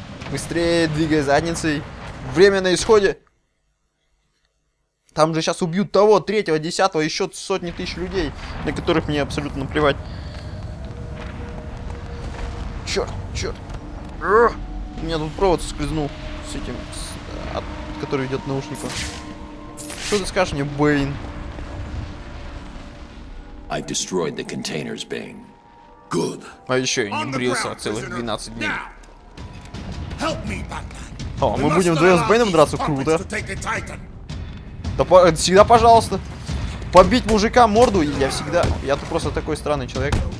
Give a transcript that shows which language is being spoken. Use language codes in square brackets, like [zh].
[ru] Быстрее двигай задницей. Время на исходе. Там же сейчас убьют того, третьего, десятого, еще сотни тысяч людей, на которых мне абсолютно наплевать. Черт, черт. У меня тут провод скользнул с этим, который идет к наушнику. Что ты скажешь мне, Бэйн? [en] I've destroyed the containers, Bane. Good. [ru] А еще я не брился целых 12 дней. [en] Help me, Batman. [ru] О, мы будем вдвоем с Бэйном драться, круто. Да всегда пожалуйста. Побить мужика морду, я всегда... Я-то просто такой странный человек.